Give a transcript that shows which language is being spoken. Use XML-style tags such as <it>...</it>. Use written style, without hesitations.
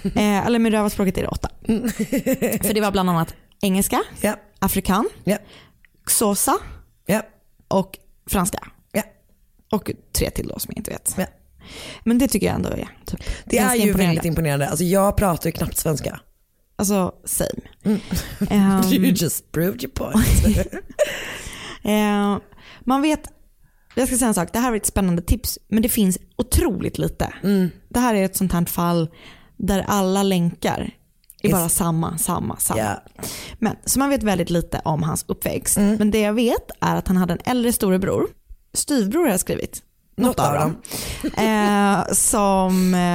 <sv>Eller med rövarspråket är det 8. För det var bland annat engelska, afrikan, xhosa och franska. Och 3 till då som jag inte vet. Men det tycker jag ändå är typ. Det är ju väldigt imponerande. Alltså jag pratar ju knappt svenska. Alltså,</sv> <en>same. You just proved your point.</en> <sv>Man vet, jag ska säga en sak, det här är ett spännande tips, men det finns otroligt lite. Det här är ett sånt här fall där alla länkar är bara samma.</sv> <en>Yeah.</en> <sv>Men, så man vet väldigt lite om hans uppväxt. Men det jag vet är att han hade en äldre storebror, styrbror har jag skrivit, något av dem, som...</sv>